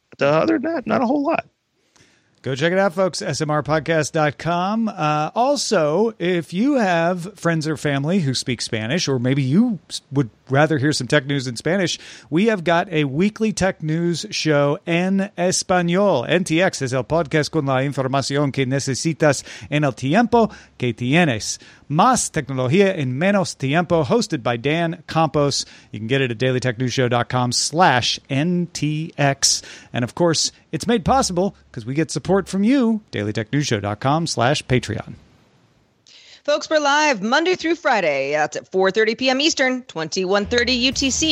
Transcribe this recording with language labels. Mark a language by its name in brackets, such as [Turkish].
[English] But other than that, not a whole lot. Go check it out, folks, smrpodcast.com. Also, if you have friends or family who speak Spanish, or maybe you would rather hear some tech news in Spanish, we have got a weekly tech news show [Spanish] en español. NTX es el podcast con la información que necesitas en el tiempo que tienes. Más tecnología en menos tiempo, [English] hosted by [Spanish] Dan Campos. [English] You can get it at dailytechnewsshow.com/NTX. And of course, it's made possible because we get support from you, dailytechnewsshow.com/Patreon. Folks, we're live Monday through Friday. That's at 4:30 p.m. Eastern, 21:30 UTC.